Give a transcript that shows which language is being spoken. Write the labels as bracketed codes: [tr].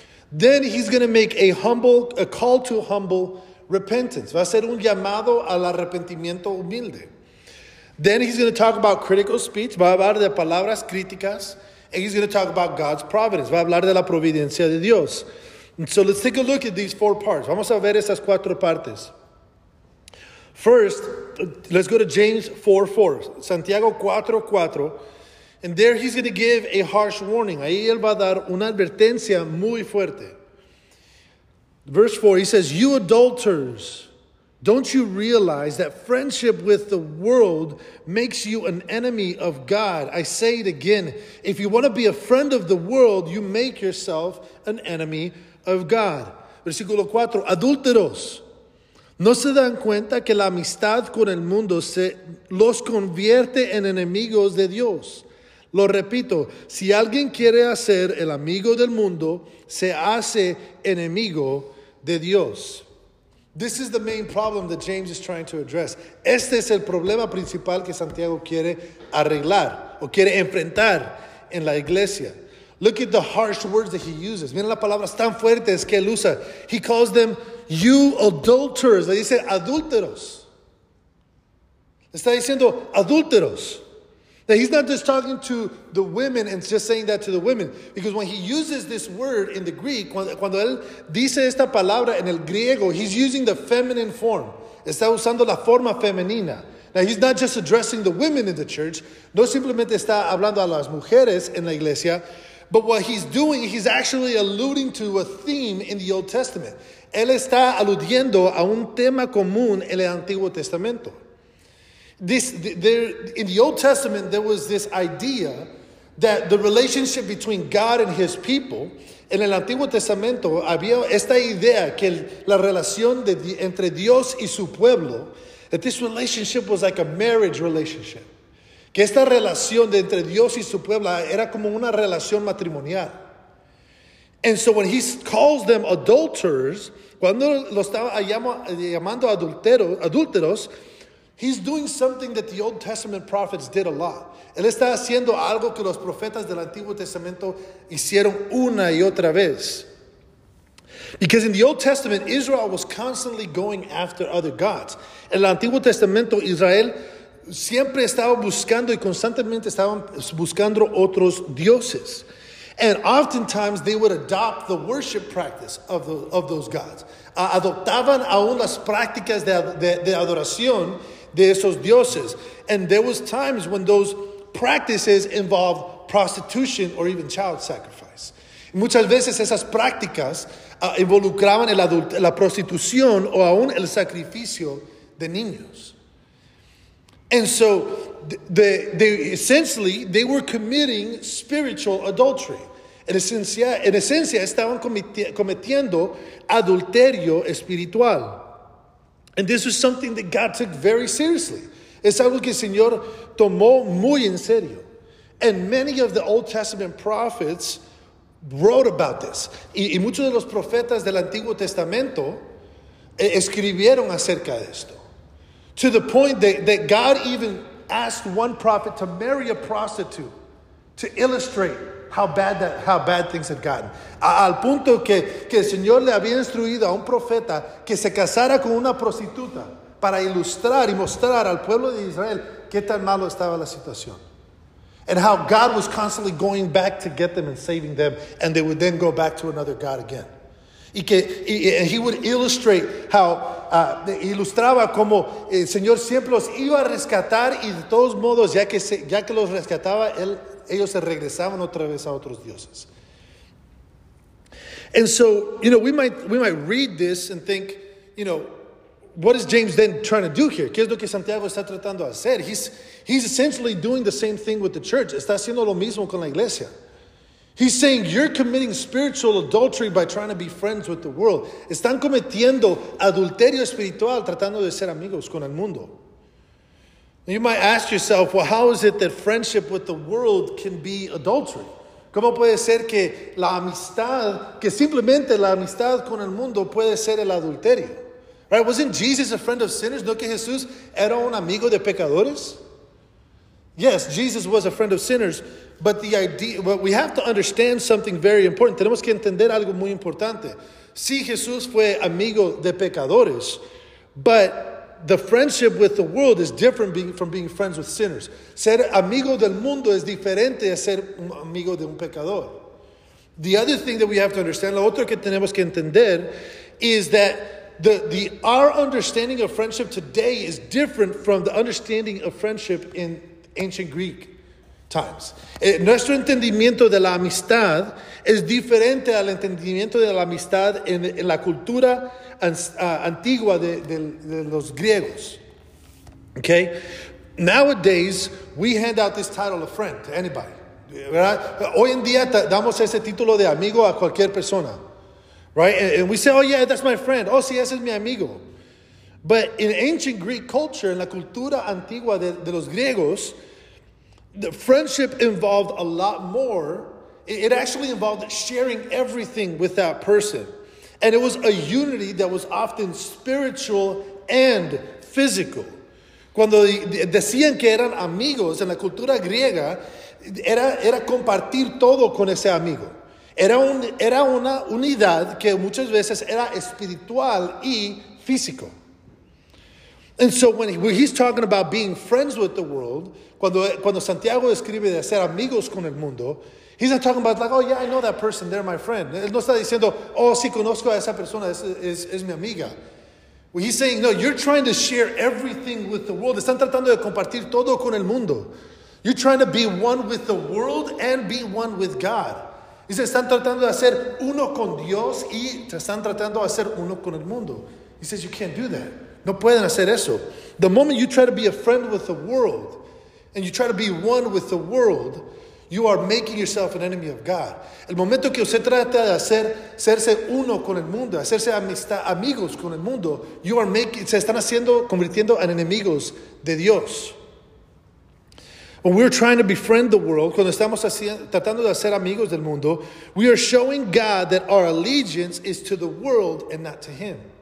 [en] Then he's going to make a call to humble repentance. [es] Va a ser un llamado al arrepentimiento humilde. [en] Then he's going to talk about critical speech. [es] Va a hablar de palabras críticas. [en] And he's going to talk about God's providence. [es] Va a hablar de la providencia de Dios. [en] And so let's take a look at these four parts. [es] Vamos a ver estas cuatro partes. [en] First, let's go to James 4:4. Santiago 4:4. And there he's going to give a harsh warning. [es] Ahí él va a dar una advertencia muy fuerte. [en] Verse 4, he says, "You adulterers, don't you realize that friendship with the world makes you an enemy of God? I say it again, if you want to be a friend of the world, you make yourself an enemy of God." [es] Versículo 4, adúlteros, ¿no se dan cuenta que la amistad con el mundo se los convierte en enemigos de Dios? Lo repito, si alguien quiere hacer el amigo del mundo, se hace enemigo de Dios. [en] This is the main problem that James is trying to address. [es] Este es el problema principal que Santiago quiere arreglar o quiere enfrentar en la iglesia. [en] Look at the harsh words that he uses. [es] Miren las palabras tan fuertes que él usa. [en] He calls them, you adulterers. [es] Le dice, adúlteros. Está diciendo, adúlteros. [en] That he's not just talking to the women and just saying that to the women. Because when he uses this word in the Greek, [es] cuando él dice esta palabra en el griego, [en] he's using the feminine form. [es] Está usando la forma femenina. [en] Now he's not just addressing the women in the church. [es] No simplemente está hablando a las mujeres en la iglesia. [en] But what he's doing, he's actually alluding to a theme in the Old Testament. [es] Él está aludiendo a un tema común en el Antiguo Testamento. [en] In the Old Testament, there was this idea that the relationship between God and his people, [es] en el Antiguo Testamento había esta idea que la relación entre Dios y su pueblo, [en] that this relationship was like a marriage relationship. [es] Que esta relación de entre Dios y su pueblo era como una relación matrimonial. [en] And so when he calls them adulterers, [es] cuando lo estaba llamando adúlteros, [en] he's doing something that the Old Testament prophets did a lot. [es] Él está haciendo algo que los profetas del Antiguo Testamento hicieron una y otra vez. [en] Because in the Old Testament, Israel was constantly going after other gods. [es] En el Antiguo Testamento, Israel siempre estaba buscando y constantemente estaban buscando otros dioses. [en] And oftentimes they would adopt the worship practice of those gods. [es] Adoptaban aún las prácticas de adoración de esos dioses. [en] And there was times when those practices involved prostitution or even child sacrifice. [es] Muchas veces esas prácticas involucraban la prostitución o aún el sacrificio de niños. [en] And so, they were committing spiritual adultery. [es] En esencia, estaban cometiendo adulterio espiritual. [en] And this was something that God took very seriously. [es] Es algo que el Señor tomó muy en serio. [en] And many of the Old Testament prophets wrote about this. [es] Y muchos de los profetas del Antiguo Testamento escribieron acerca de esto. [en] To the point that God even asked one prophet to marry a prostitute to illustrate how bad things had gotten. [es] Al punto que el Señor le había instruido a un profeta que se casara con una prostituta para ilustrar y mostrar al pueblo de Israel qué tan malo estaba la situación. [en] And how God was constantly going back to get them and saving them, and they would then go back to another God again. And he would illustrate how, [es] ilustraba como el Señor siempre los iba a rescatar y de todos modos, ya que los rescataba, ellos se regresaban otra vez a otros dioses. [en] And so, you know, we might read this and think, you know, what is James then trying to do here? [es] ¿Qué es lo que Santiago está tratando de hacer? [en] He's essentially doing the same thing with the church. [es] Está haciendo lo mismo con la iglesia. [en] He's saying you're committing spiritual adultery by trying to be friends with the world. [es] Están cometiendo adulterio espiritual tratando de ser amigos con el mundo. [en] You might ask yourself, well, how is it that friendship with the world can be adultery? [es] ¿Cómo puede ser que la amistad, que simplemente la amistad con el mundo puede ser el adulterio? [en] Right? Wasn't Jesus a friend of sinners? [es] ¿No que Jesús era un amigo de pecadores? [en] Yes, Jesus was a friend of sinners. But the idea, but we have to understand something very important. [es] Tenemos que entender algo muy importante. Sí, Jesús fue amigo de pecadores, [en] but the friendship with the world is different from being friends with sinners. [es] Ser amigo del mundo es diferente a ser amigo de un pecador. [en] The other thing that we have to understand, [es] lo otro que tenemos que entender, [en] is that our understanding of friendship today is different from the understanding of friendship in ancient Greek times. [es] Nuestro entendimiento de la amistad es diferente al entendimiento de la amistad en la cultura antigua de los griegos. [en] Okay? Nowadays, we hand out this title of friend to anybody. [es] ¿Verdad? Hoy en día damos ese título de amigo a cualquier persona. [en] Right? And we say, oh yeah, that's my friend. [es] Oh sí, ese es mi amigo. [en] But in ancient Greek culture, [es] en la cultura antigua de los griegos, [en] the friendship involved a lot more. It actually involved sharing everything with that person. And it was a unity that was often spiritual and physical. [es] Cuando decían que eran amigos en la cultura griega, era compartir todo con ese amigo. Era una unidad que muchas veces era espiritual y físico. [en] And so when he's talking about being friends with the world, [es] cuando Santiago escribe de hacer amigos con el mundo, [en] he's not talking about like, oh yeah, I know that person, they're my friend. [es] Él no está diciendo, oh sí, conozco a esa persona, es mi amiga. [en] Well, he's saying, no, you're trying to share everything with the world. [es] Están tratando de compartir todo con el mundo. [en] You're trying to be one with the world and be one with God. He says, [es] están tratando de hacer uno con Dios y están tratando de hacer uno con el mundo. [en] He says, you can't do that. [es] No pueden hacer eso. [en] The moment you try to be a friend with the world and you try to be one with the world, you are making yourself an enemy of God. [es] El momento que usted trata de hacerse uno con el mundo, hacerse amigos con el mundo, se están convirtiendo en enemigos de Dios. [en] When we're trying to befriend the world, [es] cuando estamos tratando de hacer amigos del mundo, [en] we are showing God that our allegiance is to the world and not to Him.